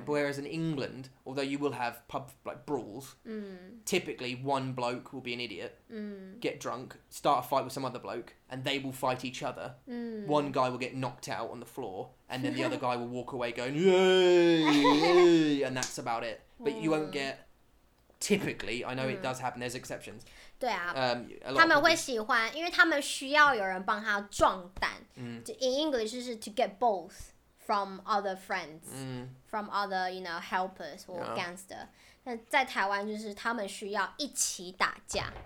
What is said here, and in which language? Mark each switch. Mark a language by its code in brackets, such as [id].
[en] But whereas in England, although you will have pub, like, brawls, typically one bloke will be an idiot, get drunk, start a fight with some other bloke, and they will fight each other. One guy will get knocked out on the floor, and then the other guy will walk away going, yay, and that's about it. But you won't get... Typically, I know it does happen. There's exceptions. [zh] 对啊，他们会喜欢，因为他们需要有人帮他壮胆。 [en] In English, is to get balls from other friends, from other, you know, helpers or gangster. [zh] 那在台湾就是他们需要一起打架。